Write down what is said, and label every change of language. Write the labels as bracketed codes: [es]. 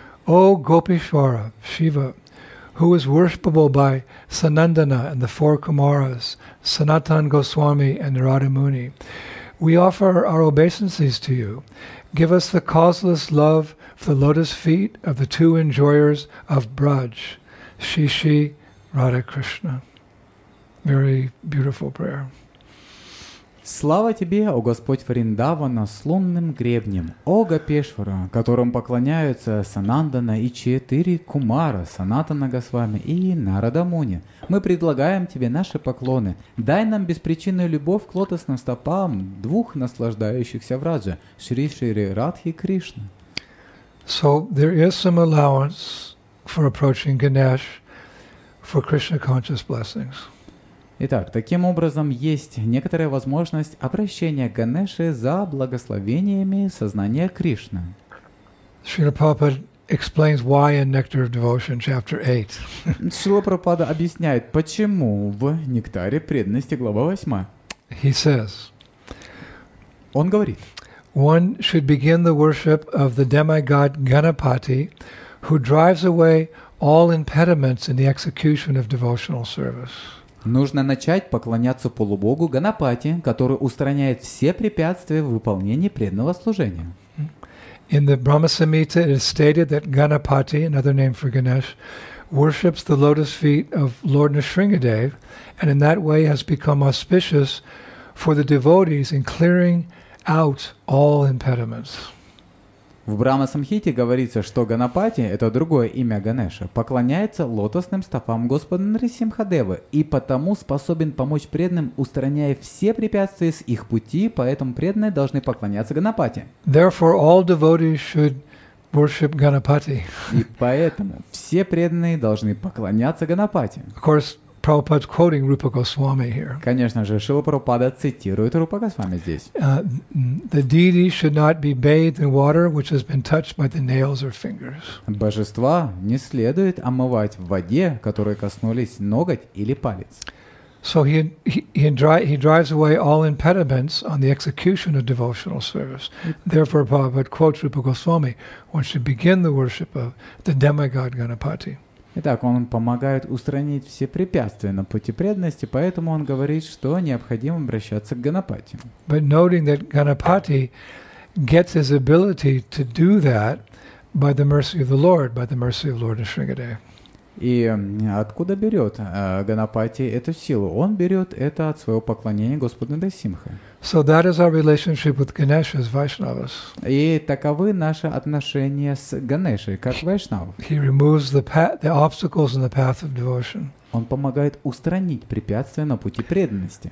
[en] O Gopishvara, Shiva, who is worshipable by Sanandana and the four Kumaras, Sanatan Goswami and Narada Muni, we offer our obeisances to you. Give us the causeless love for the lotus feet of the two enjoyers of Braj, Shishi Radha Krishna. Very beautiful prayer. [ru] Слава тебе, о Господь Вриндавана, с лунным гребнем, о Гопешвара, которым поклоняются Санандана и четыре кумара, Санатана Госвами и Нарада Муни. Мы предлагаем тебе наши поклоны. Дай нам беспричинную любовь к лотосным стопам двух наслаждающихся враджа, Шри Шри Радхи Кришна. [en] So there is some allowance for approaching Ganesh for Krishna conscious blessings. [ru] Итак, таким образом, есть некоторая возможность обращения Ганеши за благословениями сознания Кришны. [en] Шрила Прабхупада explains why in Nectar of Devotion, chapter 8. [ru] Шрила Прабхупада объясняет, почему в Нектаре преданности, глава 8. [en] He says, [ru] он говорит, [en] one should begin the worship of the demigod Ganapati, who drives away all impediments in the execution of devotional service. [ru] Нужно начать поклоняться полубогу Ганапати, который устраняет все препятствия в выполнении преданного служения. [en] In the Brahma Samhita it is stated that Ganapati, another name for Ganesh, worships the lotus feet of Lord Nrisingadev and in that way has become auspicious for the devotees in clearing out all impediments. [ru] В Брахма-самхите говорится, что Ганапати, это другое имя Ганеша, поклоняется лотосным стопам Господа Нрисимхадевы и потому способен помочь преданным, устраняя все препятствия с их пути, поэтому преданные должны поклоняться Ганапати. [en] Therefore, all devotees should worship Ганапати. [ru] И поэтому все преданные должны поклоняться Ганапати. [en] Of course, Prabhupada's quoting Rupa Goswami here. [ru] Конечно же, Шрила Прабхупада цитирует Рупа Госвами здесь. [en] The deity should not be bathed in water which has been touched by the nails or fingers. [ru] Божества не следует омывать в воде, которой коснулись ноготь или палец. [en] So he drives away all impediments on the execution of devotional service. Therefore, Prabhupada quotes Rupa Goswami, one should begin the worship of the demigod Ganapati. [ru] Итак, он помогает устранить все препятствия на пути преданности, поэтому он говорит, что необходимо обращаться к Ганапати. [en] But noting that Ganapati gets his ability to do that by the mercy of the Lord, by the mercy of Lord Nrisingadev. [ru] И откуда берет Ганапати эту силу? Он берет это от своего поклонения Господу Нарасимхе. [en] So that is our relationship with Ganesha as Vaishnavas. [ru] И таковы наши отношения с Ганешей как Вайшнав. [en] He removes the obstacles in the path of devotion. [ru] Он помогает устранить препятствия на пути преданности.